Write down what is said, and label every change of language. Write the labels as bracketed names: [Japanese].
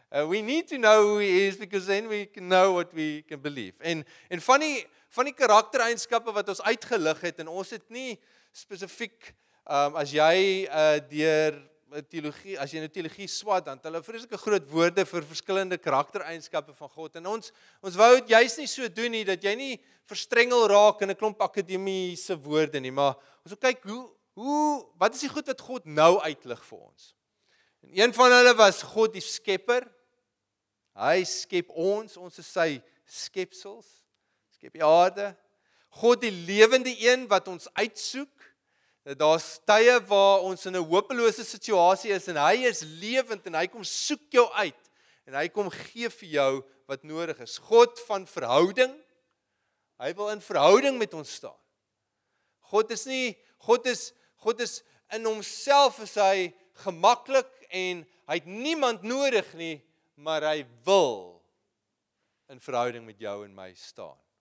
[English] We need to know who he is, because then we can know what we can believe. [Afrikaans] En van die karaktereigenskappe wat ons uitgelig het, en ons het nie spesifiek, as jy deur teologie, as jy nou teologie swat, dan het hulle vreeslike groot woorde vir verskillende karaktereigenskappe van God. En ons wou het juist nie so doen nie, dat jy nie verstrengel raak in 'n klomp akademiese woorde nie, maar ons wil kyk, wat is die goed wat God nou uitlig vir ons? En een van hulle was God die skepper. Hy skep ons is sy skepsels, skep die aarde. God die lewende een wat ons uitsoek, daar's tye waar ons in 'n hopelose situasie is, en hy is lewend, en hy kom soek jou uit, en hy kom gee vir jou wat nodig is. God van verhouding, hy wil in verhouding met ons staan. God is in homself is hy gemaklik, en hy het niemand nodig nie, maar hy wil in verhouding met jou en my staan.